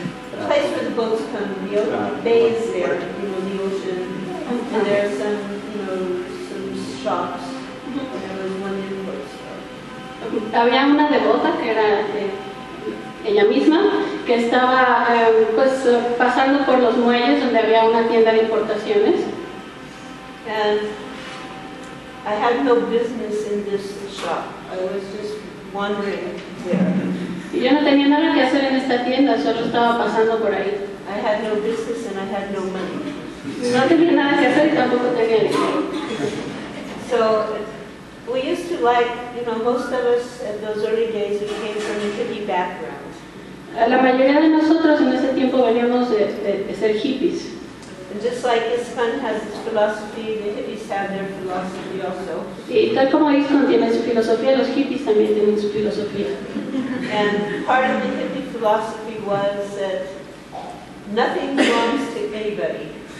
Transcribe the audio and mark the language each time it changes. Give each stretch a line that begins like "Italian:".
English: The place where the boats come, the bay is there, you know, the ocean. And there are some, you know, some shops. And there was one in the boat store.
Spanish: Había una devota que era ella misma, que estaba pasando por los muelles donde había una tienda de importaciones.
English: And I had no business in this shop. I was just wandering there.
Spanish: Y yo no tenía nada que hacer en esta tienda, solo estaba pasando por ahí.
English: I had no business and I had no money.
Spanish: No tenía nada que hacer y tampoco tenía dinero.
English: So we used to like, you know, most of us in those early days, we came from a hippie background.
Spanish: La mayoría de nosotros en ese tiempo veníamos de ser hippies.
English: And just like ISKCON has its philosophy, the hippies have their philosophy also.
Spanish: Y tal como ISKCON tiene su filosofía, los hippies también tienen su filosofía.
English: And part of the hippie philosophy was that nothing belongs to anybody.